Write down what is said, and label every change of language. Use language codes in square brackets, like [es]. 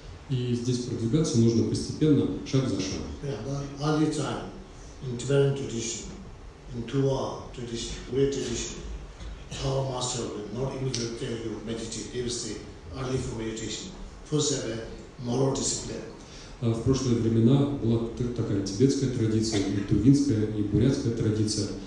[ru] И здесь продвигаться нужно постепенно, шаг за шагом. [en] Yeah, all the time. in Tibetan tradition, in Tuwa tradition, Wei tradition, our master will not immediately tell you meditate. He will say, early for meditation. First have a moral discipline. [ru] В прошлые времена была такая тибетская традиция, и тувинская, и бурятская традиция.